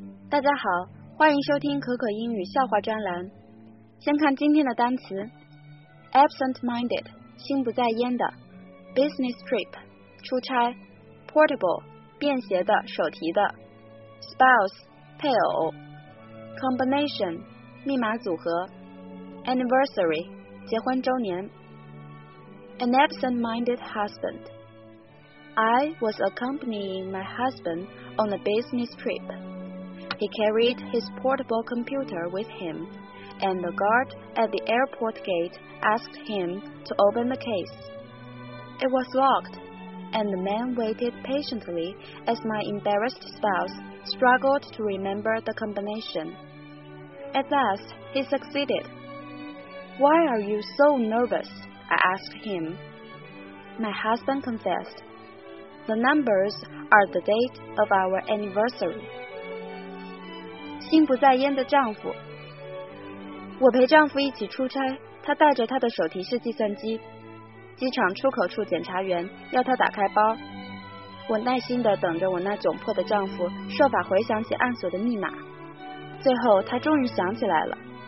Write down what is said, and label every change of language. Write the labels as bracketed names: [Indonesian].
[Chinese] 大家好，欢迎收听可可英语笑话专栏。先看今天的单词 [English] absent-minded [Chinese] 心不在焉的 [English] business trip [Chinese] 出差 [English] portable [Chinese] 便携的手提的 [English] spouse [Chinese] 配偶 [English] combination [Chinese] 密码组合 [English] anniversary [Chinese] 结婚周年 [English] an absent-minded husband I was accompanying my husband on a business tripHe carried his portable computer with him, and the guard at the airport gate asked him to open the case. It was locked, and the man waited patiently as my embarrassed spouse struggled to remember the combination. At last, he succeeded. "Why are you so nervous?" I asked him. My husband confessed, "The numbers are the date of our anniversary." [Chinese] 心不在焉的丈夫。我陪丈夫一起出差，他带着他的手提式计算机。机场出口处检查员要他打开包，我耐心地等着我那窘迫的丈夫设法回想起暗锁的密码。最后他终于想起来了。